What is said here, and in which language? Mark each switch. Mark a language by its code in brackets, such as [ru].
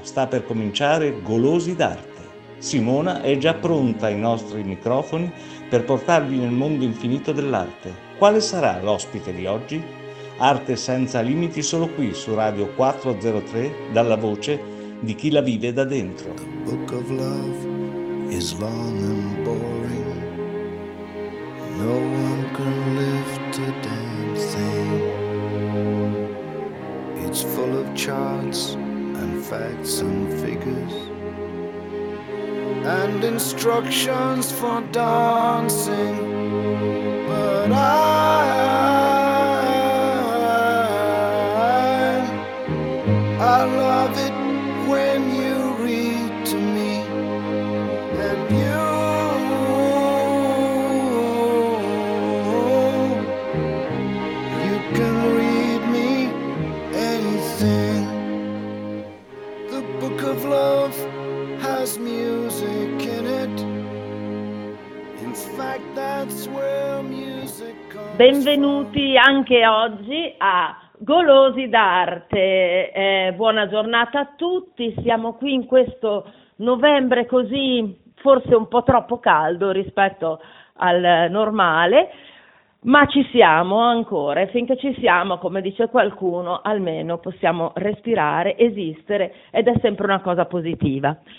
[it] Sta per cominciare Golosi d'Arte. Simona è già pronta ai nostri microfoni per portarvi nel mondo infinito dell'arte. Quale sarà l'ospite di oggi? Arte senza limiti solo qui su Radio 403 dalla voce di chi la vive da dentro. [en] The book of love is long and boring. No one can lift a damn thing. It's full of charts and facts and figures and instructions for dancing. But I love it when you read to me, and you can read me anything. The book of love has music in it. In fact, that's where music comes. [it] Benvenuti anche oggi a Golosi d'Arte, buona giornata a tutti. Siamo qui in questo novembre così forse un po' troppo caldo rispetto al normale, ma ci siamo ancora, e finché ci siamo, come dice qualcuno, almeno possiamo respirare, esistere, ed è sempre una cosa positiva.